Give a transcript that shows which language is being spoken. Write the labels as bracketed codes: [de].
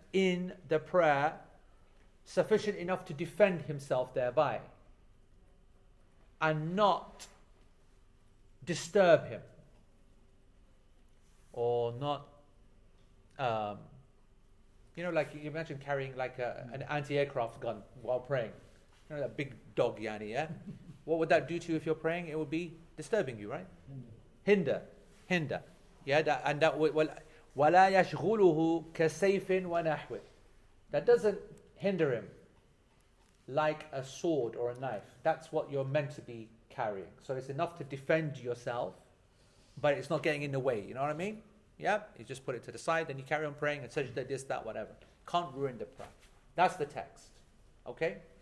[en] in the prayer sufficient enough to defend himself thereby and not disturb him or not, you know, like you imagine carrying like an anti-aircraft gun while praying. You know, that big dog, Yanni, yeah? What would that do to you if you're praying? It would be disturbing you, right? Hinder. [ar] Yeah, وَلَا يَشْغُلُهُ كَسَيْفٍ وَنَحْوِ. [en] That doesn't hinder him like a sword or a knife. That's what you're meant to be carrying. So it's enough to defend yourself, but it's not getting in the way. You know what I mean? Yeah, you just put it to the side, then you carry on praying and sajda, this, that, whatever. Can't ruin the prayer. That's the text. Okay?